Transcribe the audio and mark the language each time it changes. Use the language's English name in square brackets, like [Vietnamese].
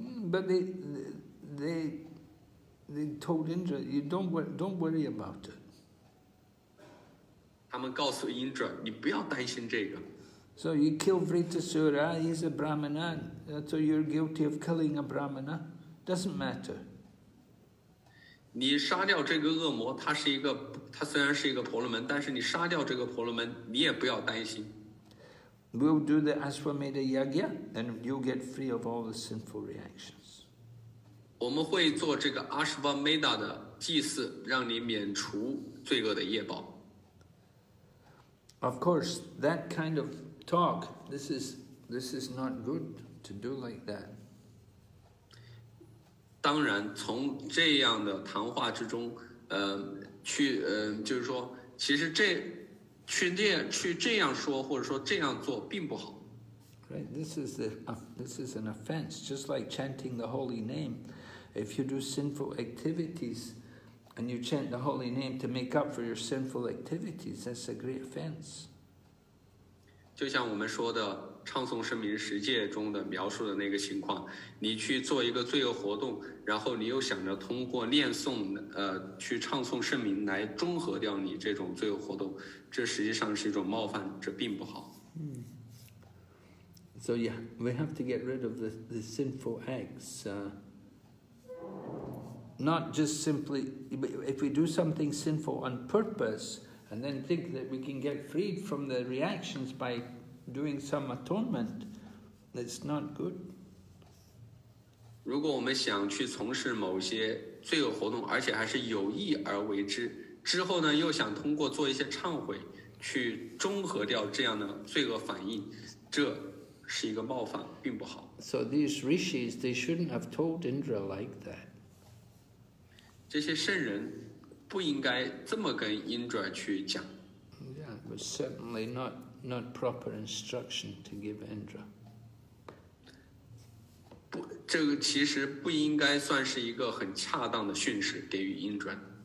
[English] But they told Indra, you don't worry about it. [Chinese] 他们告诉英准，你不要担心这个。 [English] So you kill Vritasura, he's a brahmana, so you're guilty of killing a brahmana. Doesn't matter. [Chinese] 你杀掉这个恶魔，他虽然是一个婆罗门，但是你杀掉这个婆罗门，你也不要担心。 [English] We'll do the Ashwamedha Yagya, and you'll get free of all the sinful reactions. [Chinese] 我们会做这个 Ashwamedha 的祭祀，让你免除罪恶的业报。 [English] Of course, that kind of talk, this is not good to do like that. [Chinese] 当然从这样的谈话之中去就是说其实这去这样说或者说这样做并不好。 [English] Right, this is an offense, just like chanting the holy name. If you do sinful activities and you chant the holy name to make up for your sinful activities, that's a great offense. [Chinese] 就像我们说的唱诵圣名十诫中的描述的那个情况，你去做一个罪恶活动，然后你又想着通过念诵去唱诵圣名来中和掉你这种罪恶活动，这实际上是一种冒犯，这并不好。 [English] So yeah, we have to get rid of the sinful acts. Not just simply, if we do something sinful on purpose, and then think that we can get freed from the reactions by doing some atonement, that's not good. [Chinese] 如果我们想去从事某些罪恶活动，而且还是有意而为之，之后呢，又想通过做一些忏悔去中和掉这样的罪恶反应，这是一个冒犯，并不好。 [English] So these rishis, they shouldn't have told Indra like that. [Chinese] 这些圣人不应该这么跟 Indra 去讲。 [English] Yeah, it was certainly not proper instruction to give Indra. [Chinese] 不，这个其实不应该算是一个很恰当的训示给予 Indra。